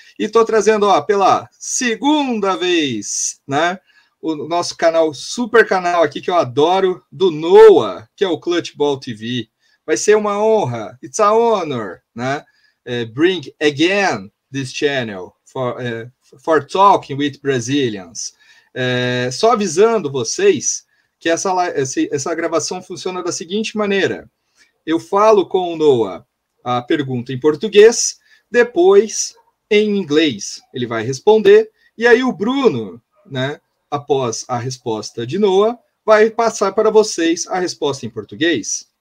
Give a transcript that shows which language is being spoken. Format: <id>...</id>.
<pt>E tô trazendo, ó, pela segunda vez, né? O nosso canal, super canal aqui que eu adoro, do Noah, que é o Clutch Ball TV. Vai ser uma honra,</pt> <en>it's an honor,</en> <pt>né?</pt> <en>Bring again this channel for talking with Brazilians.</en> <pt>Só avisando vocês que essa gravação funciona da seguinte maneira. Eu falo com o Noah a pergunta em português, depois em inglês ele vai responder, e aí o Bruno, né, após a resposta de Noah, vai passar para vocês a resposta em português.</pt>